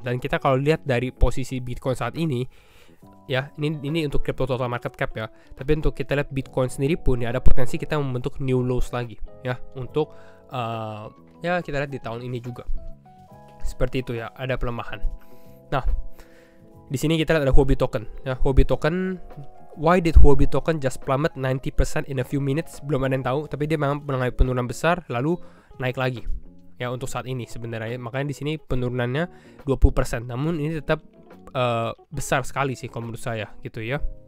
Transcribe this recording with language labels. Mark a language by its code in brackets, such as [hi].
[id] Dan kita kalau lihat dari posisi Bitcoin saat ini, ya, ini untuk crypto total market cap ya. Tapi untuk kita lihat Bitcoin sendiri pun ya ada potensi kita membentuk new lows lagi ya untuk ya kita lihat di tahun ini juga. Seperti itu ya, ada pelemahan. Nah, di sini kita lihat ada Huobi token ya. [en] Huobi token, why did Huobi token just plummet 90% in a few minutes? [id] Belum ada yang tahu, tapi dia memang mengalami penurunan besar lalu naik lagi. Ya, untuk saat ini sebenarnya makanya di sini penurunannya 20%. Namun ini tetap besar sekali sih kalau menurut saya gitu ya.